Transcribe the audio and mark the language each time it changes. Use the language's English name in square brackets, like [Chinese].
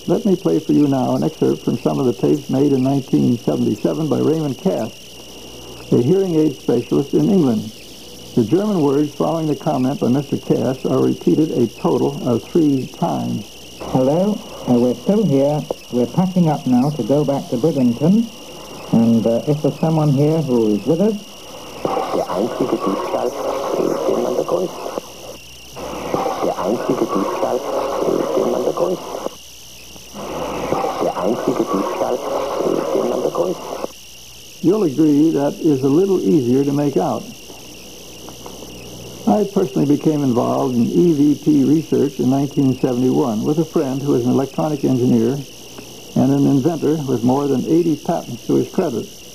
[English] Let me play for you now an excerpt from some of the tapes made in 1977 by Raymond Cass, a hearing aid specialist in England. The German words following the comment by Mr. Cass are repeated a total of 3 times. Hello, we're still here. We're packing up now to go back to Bridlington. And if there's someone here who is with us. [German] Der einzige Diebstahl, den man begrüßt. Der einzige Diebstahl, den man begrüßt. Der einzige Diebstahl, den man begrüßt. [English] You'll agree that is a little easier to make out. I personally became involved in EVP research in 1971 with a friend who was an electronic engineer and an inventor with more than 80 patents to his credit.